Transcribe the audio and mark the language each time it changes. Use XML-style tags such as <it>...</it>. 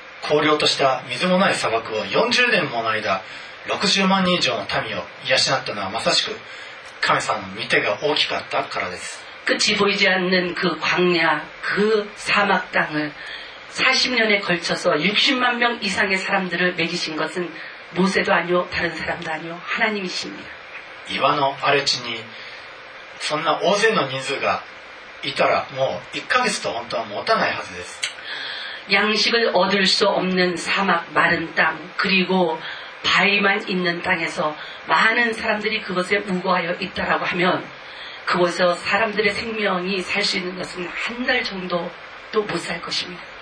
<ja>ひたすら広大な荒涼とした水もない砂漠を 40年 もの間 60万人以上の民を癒しなったのはまさしく 神様の御手が大きかったからです。</ja> <ko>끝이 보이지 않는 그 광야, 그 사막 땅을 40년에 걸쳐서 60만 명 이상의 사람들을 먹이신 것은 모세도 아니요 다른 사람도 아니요 하나님이십니다.</ko> <ja>岩の荒れ地にそんな大勢の人数がいたらもう1ヶ月と本当は持たないはずです。</ja> <ko>양식을 얻을 수 없는 사막 마른 땅 그리고 바위만 있는 땅에서 많은 사람들이 그것에 우거하여 있다라고 하면 그곳에서 사람들의 생명이 살 수 있는 것은 한 달 정도도 못 살 것입니다.</ko>